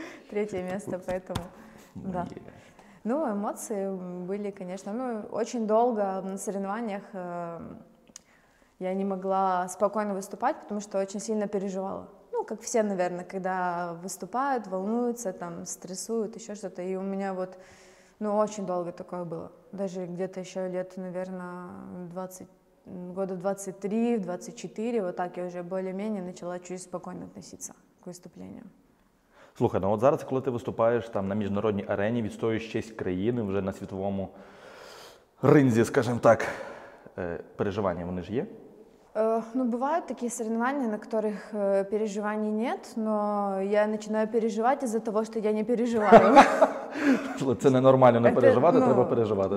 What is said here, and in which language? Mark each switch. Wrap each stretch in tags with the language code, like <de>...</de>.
<uk>3 місце, тому... Да. Ну, емоції були, звісно. Ну, дуже довго на соревнованнях я не могла спокійно виступати, тому що дуже сильно переживала. Ну, як всі, мабуть, коли виступають, волнуються, там, стресують, ще щось. І у мене от... Ну, дуже довго таке було.</uk> <ru>Даже где-то еще лет, наверное, 23-24, вот так я уже более-менее начала чуть спокойно относиться к выступлению.</ru> <uk>Слухай, ну вот зараз, коли ти виступаєш там на міжнародній арені, відстоюєш честь країни вже на світовому ринзі, скажімо так, переживання вони ж є?</uk> <ru>Бывают такие соревнования, на которых переживаний нет, но я начинаю переживать из-за того, что я не переживаю.</ru> <uk>Це ненормально не переживати, треба переживати,</uk>